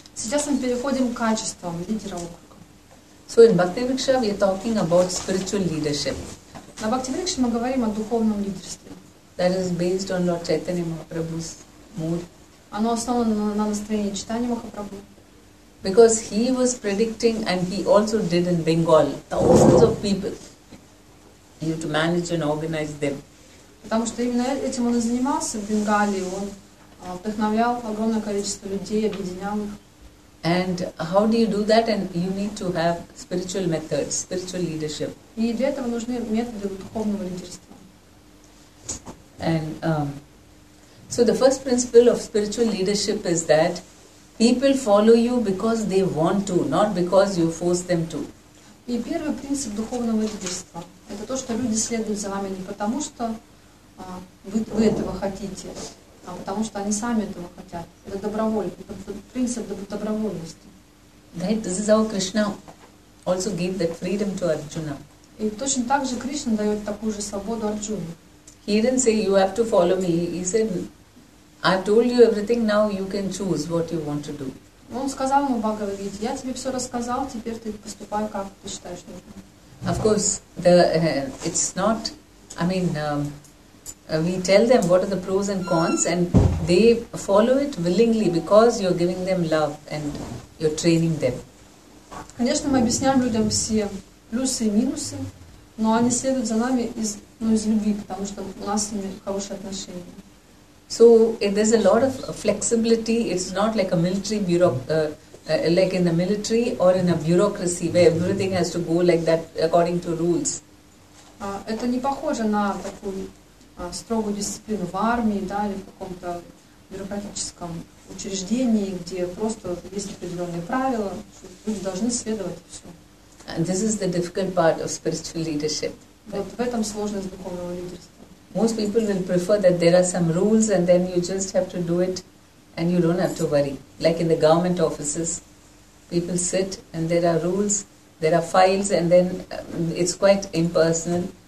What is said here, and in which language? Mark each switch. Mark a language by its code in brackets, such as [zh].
[ru] Сейчас мы переходим к качествам лидера округа. [en] So in Bhakti Viksha we are talking about spiritual leadership. [ru] На Bhakti Viksha мы говорим о духовном лидерстве. [en] That is based on Lord Chaitanya Mahaprabhu's mood. [ru] Оно основано на настроении Чайтаньи Махапрабху. [en] Because he was predicting, and he also did in Bengal, thousands of people. He had to manage and organize them. [ru] Потому что именно этим он и занимался в Бенгалии. Он вдохновлял огромное количество людей, объединял их. [en] And how do you do that? And you need to have spiritual methods, spiritual leadership. [ru] И для этого нужны методы духовного лидерства. [en] And so the first principle of spiritual leadership is that people follow you because they want to, not because you force them to. [ru] И первый принцип духовного лидерства – это то, что люди следуют за вами не потому, что вы этого хотите, а потому, что они сами этого хотят. Это добровольно, это принцип добровольности. [en] Right? This is how Krishna also gave that freedom to Arjuna. [ru] И точно так же Кришна дает такую же свободу Арджуне. [en] He didn't say, you have to follow me. He said, I've told you everything, now you can choose what you want to do. [ru] Он сказал ему Бхагавад Гите, я тебе все рассказал, теперь ты поступай, как ты считаешь нужным. [en] Of course, it's not, we tell them what are the pros and cons, and they follow it willingly because you're giving them love and you're training them. [ru] Конечно, мы объясняем людям все плюсы и минусы, но они следуют за нами из любви, потому что у нас с ними хорошие отношения. [en] So there's a lot of flexibility. It's not like a military like in the military or in a bureaucracy where everything has to go like that according to rules. [ru] Это не похоже на такую строгую дисциплину в армии, да, или в каком-то бюрократическом учреждении, где просто есть определенные правила, люди должны следовать всё. [en] And this is the difficult part of spiritual leadership. [ru] Вот в этом сложность духовного лидерства. [en] Most people will prefer that there are some rules and then you just have to do it and you don't have to worry. Like in the government offices, people sit and there are rules, there are files, and then it's quite impersonal.